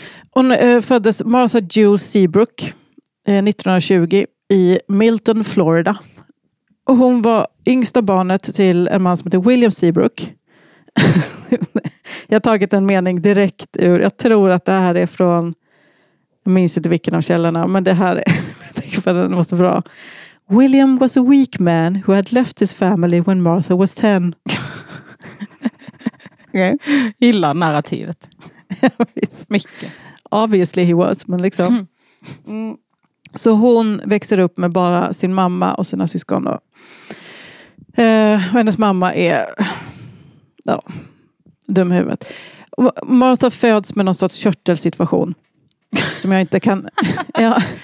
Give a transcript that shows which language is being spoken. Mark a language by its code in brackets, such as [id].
[sv] Hon föddes Martha Jewel Seabrook 1920 i Milton, Florida. Och hon var yngsta barnet till en man som heter William Seabrook. Jag har tagit en mening direkt ur. Jag tror att det här är från, jag minns inte vilken av källorna, men det här är den måste vara bra. [en] William was a weak man who had left his family when Martha was 10. [sv] Okay. Gillar narrativet. Mycket. [en] Obviously he was, [sv] men liksom. Mm. Så hon växer upp med bara sin mamma och sina syskon då. Hennes mamma är ja, dum i huvudet. Martha föds med någon sorts körtelsituation. Som jag inte kan... Ja,